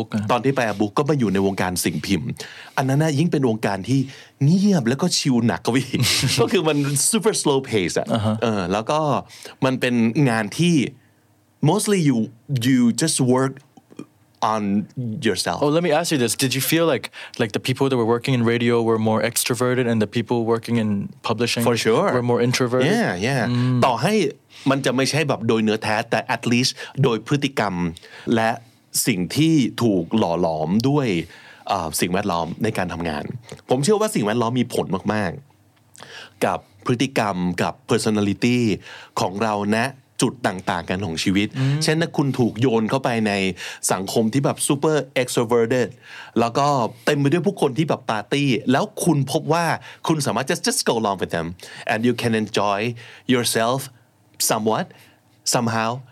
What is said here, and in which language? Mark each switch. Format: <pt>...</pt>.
<th>ตอนที่ไปอบุก ก็มาอยู่ในวงการสิ่งพิมพ์อันนั้นน่ะยิ่งเป็นวงการที่เงียบแล้วก็ชิลหนักกว่าอีกก็คือมัน super slow pace อ่ะแล้วก็มันเป็นงานที่</th> <en>mostly you just work on yourself Oh let me ask you this did you feel like the people that were working in radio were more extroverted and the people working in publishing For sure. were more introverted</en> <th>Yeah ต่อให้มันจะไม่ใช่แบบโดยเนื้อแท้แต่ at least โดยพฤติกรรมและสิ่งที่ถูกหล่อหลอมด้วย สิ่งแวดล้อมในการทำงานผมเชื่อว่าสิ่งแวดล้อมมีผลมากๆกับพฤติกรรมกับ personality ของเรานะจุดต่างๆกันของชีวิตเช่นถ้าคุณถูกโยนเข้าไปในสังคมที่แบบ super extroverted แล้วก็เต็มไปด้วยผู้คนที่แบบปาร์ตี้แล้วคุณพบว่าคุณสามารถ</th> <en>just go along with them and you can enjoy yourselfsomewhat somehow</en>